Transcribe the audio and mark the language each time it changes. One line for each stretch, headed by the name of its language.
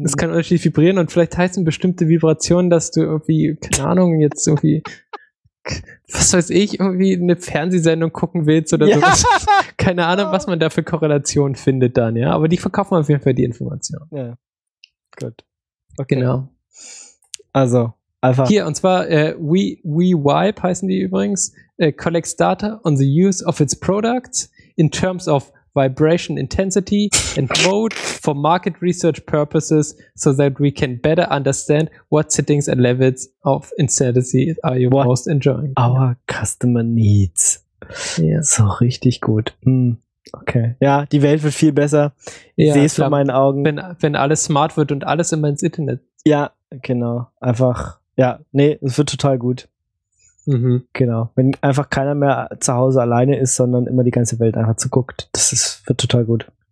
German: Es kann unterschiedlich vibrieren und vielleicht heißen bestimmte Vibrationen, dass du irgendwie, keine Ahnung, jetzt irgendwie, was weiß ich, irgendwie eine Fernsehsendung gucken willst oder ja, sowas. Keine Ahnung, was man da für Korrelationen findet dann, ja. Aber die verkaufen auf jeden Fall die Information. Ja. Gut. Okay. Genau. Also, einfach. Hier, und zwar WeWipe heißen die übrigens.
English: Collects data on the use of its products in terms of vibration intensity and mode for market research purposes so that we can better understand what settings and levels of intensity are you what most enjoying. Our customer needs.
German: Ja, so richtig gut. Okay. Ja, die Welt wird viel besser. Ich sehe es vor meinen Augen. Wenn alles smart wird und alles immer ins Internet. Ja, genau. Einfach, ja, nee, es wird total gut. Mhm. Genau. Wenn einfach keiner mehr zu Hause alleine ist, sondern immer die ganze Welt einfach zuguckt, wird total gut.